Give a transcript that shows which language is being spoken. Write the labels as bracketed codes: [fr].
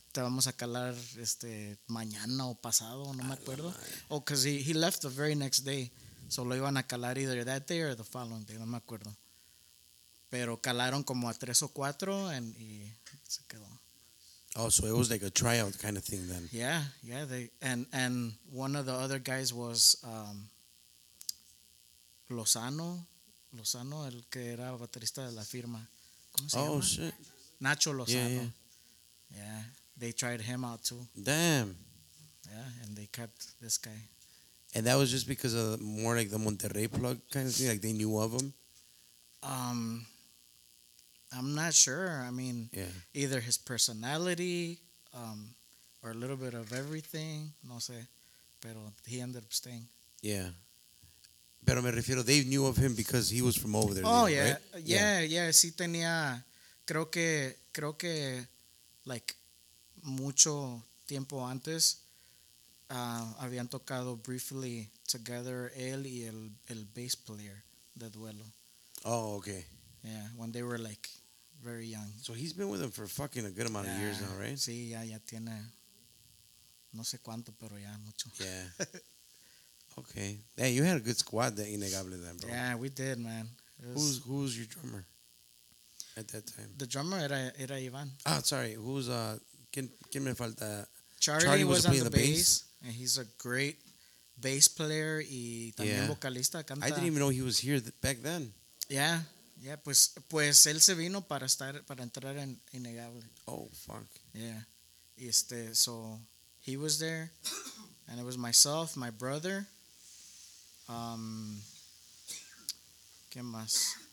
[es] Te vamos a calar mañana o pasado, no me acuerdo. [en] Oh, because he left the very next day. [es] So lo iban a calar [en] either that day or the following day, [es] no me acuerdo. Pero calaron como a tres o cuatro y se quedó. [en] Oh, so it was like a tryout kind of thing then. Yeah, yeah. And one of the other guys was Lozano, [es] el que era baterista de la firma. [en] Oh shit, Nacho Lozano. Yeah, they tried him out too. Damn. Yeah, and they kept this guy. And that was just because of more like the Monterrey plug kind of thing. Like they knew of him. I'm not sure. I mean, yeah. Either his personality, or a little bit of everything. [es] No sé, pero [en] he ended up staying. Yeah. [es] Pero me refiero, [en] they knew of him because he was from over there. Oh, there, yeah. Right? Yeah. [es] Sí tenía, creo que, like, mucho tiempo antes, habían tocado [en] briefly together [es] él y el bass player de Duelo. [en] Oh, okay. Yeah, when they were, like, very young. So he's been with them for fucking a good amount of years now, right? [es] Sí, ya tiene, no sé cuánto, pero ya mucho. [en] Yeah. Okay. Hey, you had a good squad that Innegable then, bro. Yeah, we did, man. Who's your drummer at that time? The drummer era Iván. Oh, sorry. Who's [es] ¿quién me falta? [en] Charlie was on the bass, and he's a great bass player [es] y también vocalista. Canta. [en] I didn't even know he was here back then. Yeah. [es] Yeah, pues él se vino para entrar en Innegable. [en] Oh, fuck. Yeah. Y so he was there. And it was myself, my brother. [es] ¿Qué más?